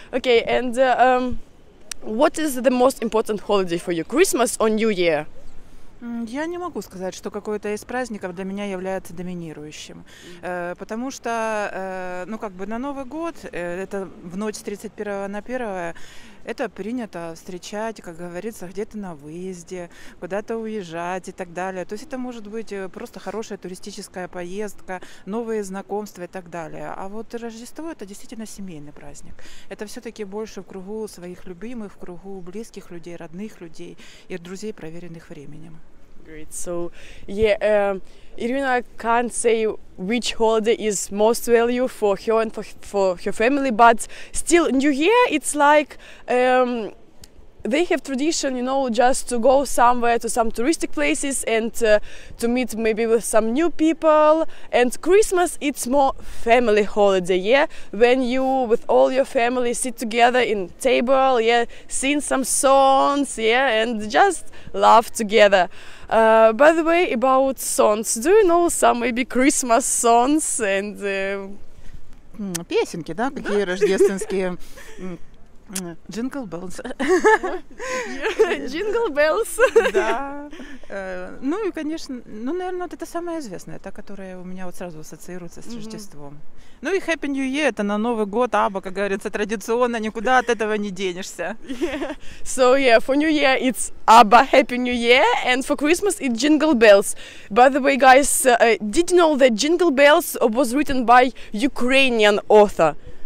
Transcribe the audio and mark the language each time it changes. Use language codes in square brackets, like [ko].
[en] Okay, and what is the most important holiday for you, Christmas or New Year? [ru] Я не могу сказать, что какой-то из праздников для меня является доминирующим. Потому что, ну, как бы на Новый год, это в ночь с 31 на 1, это принято встречать, как говорится, где-то на выезде, куда-то уезжать и так далее. То есть это может быть просто хорошая туристическая поездка, новые знакомства и так далее. А вот Рождество – это действительно семейный праздник. Это все-таки больше в кругу своих любимых, в кругу близких людей, родных людей и друзей, проверенных временем. [en] Great. So, yeah, Irina can't say which holiday is most value for her and for her family, but still, New Year, it's like they have tradition, you know, just to go somewhere to some touristic places and to meet maybe with some new people. And Christmas, it's more family holiday, yeah, when you with all your family sit together in table, yeah, sing some songs, yeah, and just laugh together. By the way, about songs, do you know some maybe Christmas songs and [ru] песенки, да, какие рождественские? [en] Jingle bells. Jingle bells. [ru] Да. Ну и, конечно, ну, наверное, вот это самое известное, та, которая у меня вот сразу ассоциируется с Рождеством. Ну и Happy New Year, это на Новый год, аба, как говорится, традиционно, никуда от этого не денешься. [en] Yeah. So, yeah, for New Year it's Abba, Happy New Year, and for Christmas it's Jingle Bells. By the way, guys, did you know that Jingle Bells was written by Ukrainian author?